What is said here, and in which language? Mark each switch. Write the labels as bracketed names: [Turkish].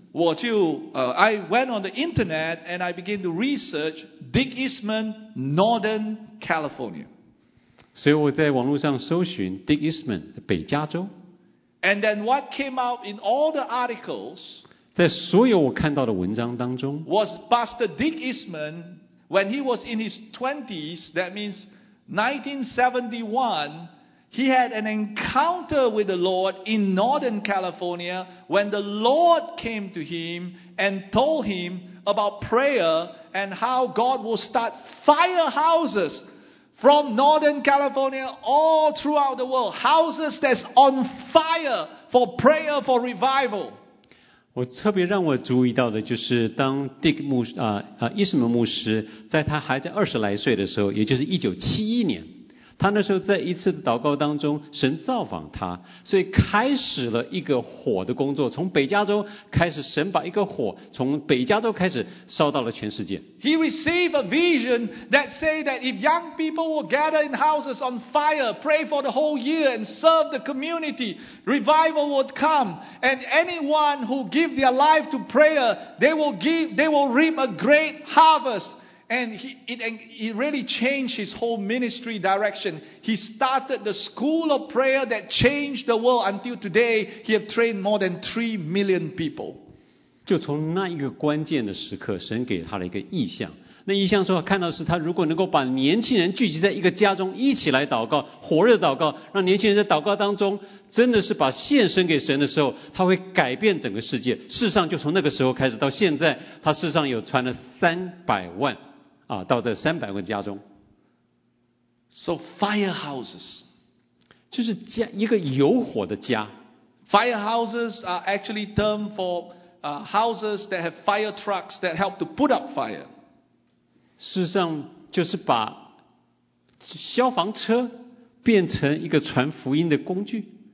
[Chinese] 我就 [English] I went on the internet and I began to research Dick Eastman, Northern California。 [Chinese] 所以我在网络上搜寻 Dick Eastman 的北加州。 [English] And then what came out in all the articles？ [Chinese] 在所有我看到的文章当中 [English] ，was Pastor Dick Eastman when he was in his 20s, that means 1971。 He had an encounter with the Lord in Northern California when the Lord came to him and told him about prayer and how God will start firehouses from Northern California all throughout the world. Houses that's on fire for prayer for revival. [Chinese] 我特别让我注意到的就是当 Dick 牧师伊斯曼牧师在他还在二十来岁的时候，也就是1971年。他那时候在一次的祷告当中，神造访他，所以开始了一个火的工作，从北加州开始，神把一个火从北加州开始烧到了全世界。 [English] He received a vision that say that if young people will gather in houses on fire, pray for the whole year and serve the community, revival would come. And anyone who give their life to prayer, they will reap a great harvest. And he really changed his whole ministry direction. He started the school of prayer that changed the world. Until today, he have trained more than 3 million people. [Chinese] 就从那一个关键的时刻，神给他了一个意象。那意象说，看到是他如果能够把年轻人聚集在一个家中，一起来祷告，火热祷告，让年轻人在祷告当中，真的是把献身给神的时候，他会改变整个世界。事实上，就从那个时候开始到现在，他事实上有传了300万。到这300个家中。 [English] So firehouses， [Chinese] 就是家，一个有火的家。 [English] Firehouses are actually term for houses that have fire trucks that help to put up fire。 [Chinese] 事实上，就是把消防车变成一个传福音的工具。